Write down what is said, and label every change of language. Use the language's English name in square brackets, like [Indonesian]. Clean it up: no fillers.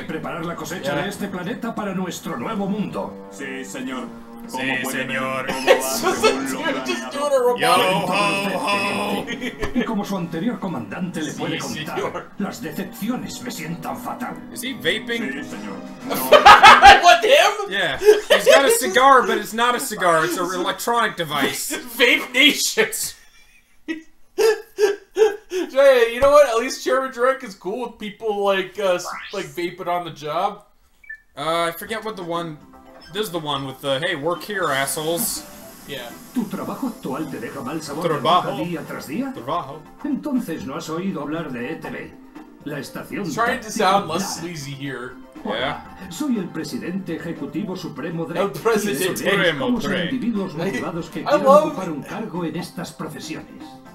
[Spanish] Debe preparar la cosecha de este planeta para nuestro nuevo mundo. Sí, señor. Sí, señor. Y como su anterior comandante le puede contar, las decepciones me sientan fatal. [English] Is he vaping? [Spanish] Sí, señor. [English] What, him? Yeah. He's got a cigar, but it's not a cigar. It's an electronic device. Vape nations. Jay, you know what? At least Chairman Drake is cool with people like vaping on the job. I forget what the one... This is the one with the, hey, work here, assholes. Yeah. [Spanish] ¿Tu trabajo actual te deja mal sabor de boca día tras día? Trabajo. Entonces no has oído hablar de ETV. La estación... [English] I'm trying to sound less sleazy here. Yeah. [Spanish] Hola, soy el presidente ejecutivo supremo de... El presidente supremo, Dre. ...individuos motivados que quieren ocupar un cargo en estas profesiones.